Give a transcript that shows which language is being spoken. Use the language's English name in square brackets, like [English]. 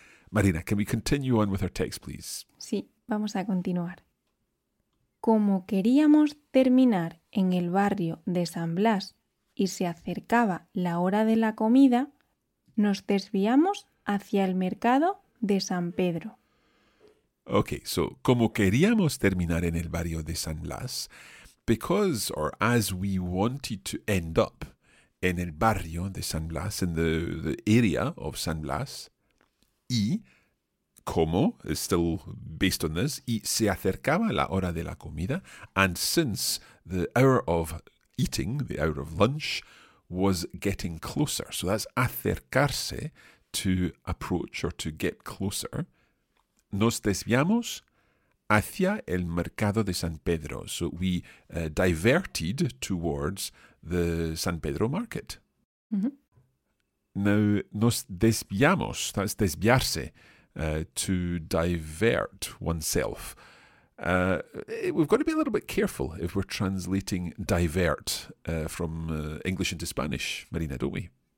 [English] Marina, can we continue on with our text, please? [Spanish] Sí, vamos a continuar. Como queríamos terminar en el barrio de San Blas y se acercaba la hora de la comida, nos desviamos hacia el mercado de San Pedro. [English] Okay, so [Spanish] como queríamos terminar en el barrio de San Blas, [English] because or as we wanted to end up [Spanish] en el barrio de San Blas, [English] in the area of San Blas, y como is still based on this, [Spanish] y se acercaba la hora de la comida, [English] and since the hour of eating, the hour of lunch, was getting closer. So that's acercarse, to approach or to get closer. [Spanish] Nos desviamos hacia el mercado de San Pedro. [English] So we diverted towards the San Pedro market. Mm-hmm. Now, nos desviamos, that's desviarse, to divert oneself. We've got to be a little bit careful if we're translating divert from English into Spanish, Marina, don't we?